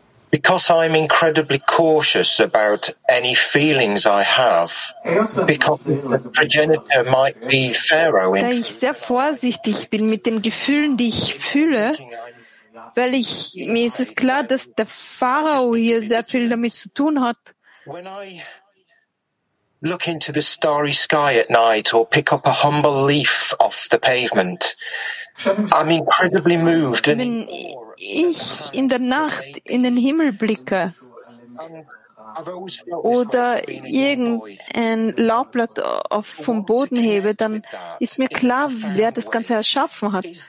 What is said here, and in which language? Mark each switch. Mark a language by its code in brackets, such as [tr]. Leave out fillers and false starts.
[en] Because I'm incredibly cautious about any feelings I have, because the progenitor might be Pharaoh. [de] Da ich sehr vorsichtig bin mit den Gefühlen, die ich fühle, mir ist es klar, dass der Pharao hier sehr viel damit zu tun hat. [en] When I look into the starry sky at night or pick up a humble leaf off the pavement, I'm incredibly moved. [de] Wenn ich in der Nacht in den Himmel blicke oder irgendein Laubblatt vom Boden hebe, dann ist mir klar, wer das Ganze erschaffen hat.